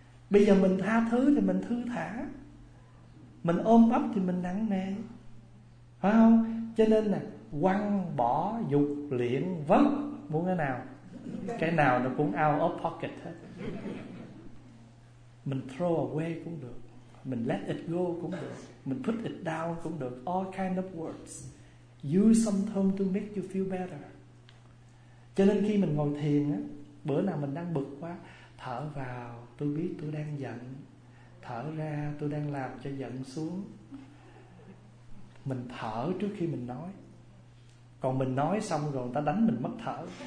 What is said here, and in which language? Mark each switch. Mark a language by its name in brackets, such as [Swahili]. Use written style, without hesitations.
[Vietnamese] Bây giờ mình tha thứ thì mình thư thả, mình ôm ấp thì mình nặng nề, phải không? Cho nên là quăng bỏ dục liễn vất, muốn cái nào, cái nào nó cũng [English] out of pocket [Vietnamese] hết. Mình [English] throw away [Vietnamese] cũng được, mình [English] let it go [Vietnamese] cũng được, mình [English] put it down [Vietnamese] cũng được. [English] All kind of words. Use some term to make you feel better. [Vietnamese] Cho nên khi mình ngồi thiền á, bữa nào mình đang bực quá, thở vào tôi biết tôi đang giận, thở ra tôi đang làm cho giận xuống. Mình thở trước khi mình nói. Còn mình nói xong rồi người ta đánh mình mất thở.